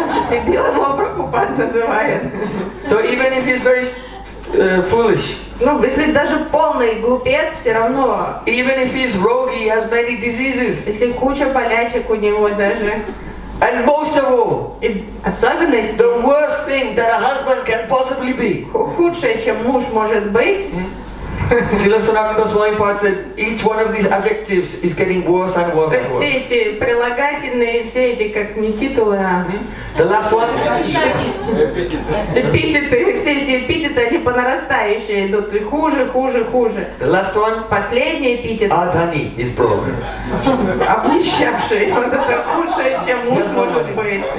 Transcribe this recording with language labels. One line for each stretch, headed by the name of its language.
Russian: Дебилом его Прабхупад называет.
English: So even if he's very foolish.
Russian: Ну, если даже полный глупец, все равно.
English: Even if he's rogue, he has many diseases.
Russian: Если куча болячек у него даже.
English: And most of all.
Russian: И особенность.
English: The worst thing that a husband can possibly be.
Russian: Худшее, чем муж может быть.
English: Srila Sanatana Goswami Pad said, each one of these adjectives is getting worse and worse and worse.
Russian: Все эти прилагательные, все эти как не титулы, а...
English: The last one?
Russian: Эпитеты. Эпитеты, все эти эпитеты, они по нарастающей идут, и хуже, хуже, хуже.
English: The last one?
Russian: Последний эпитет.
English: Адхани is broken.
Russian: Обнищавший, вот это худшее, чем муж может быть.